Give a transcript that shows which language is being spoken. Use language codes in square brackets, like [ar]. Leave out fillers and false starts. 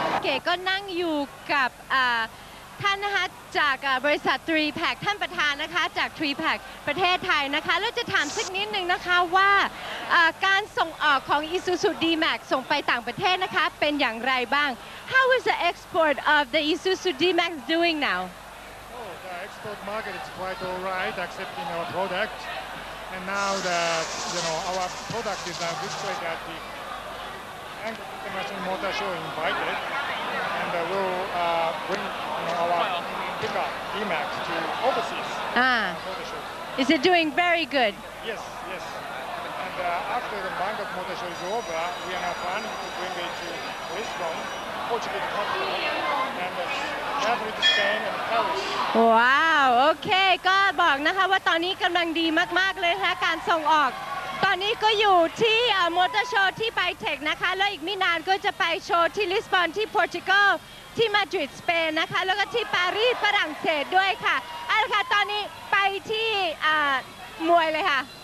[th] เก๋ก็นั่งอยู่กับท่านนะคะจากบริษัท3 Pack ท่านประธานนะคะจาก3 Pack ประเทศไทยนะคะแล้วจะถามสักนิดนึงนะคะว่าการส่งออกของ Isuzu D-Max ส่งไปต่างประเทศนะคะเป็นอย่างไรบ้าง [en] How is the export of the Isuzu D-Max doing now? Export market is quite all right, accepting our product. And now that you know our product is now displayed at the International Motor Show, invited, and we'll bring you know, our pickup D-Max to overseas. Motor Show. Is it doing very good? Yes, yes. And after the Bangkok Motor Show is over, we are now planning to bring it to Lisbon, Portugal, and [th] ว้าวโอเคก็บอกนะคะว่าตอนนี้กำลังดีมากๆเลยนะการส่งออกต อนนี้ก็อยู่ที่มอเตอร์โชว์ที่ไบเทคนะคะแล้วอีกไม่นานก็จะไปโชว์ที่ลิสบอนที่โปรตุเกสที่มาดริดสเปนนะคะแล้วก็ที่ปารีสฝรั่งเศสด้วยค่ะเอาล่ะค่ะตอนนี้ไปที่มวยเลยค่ะ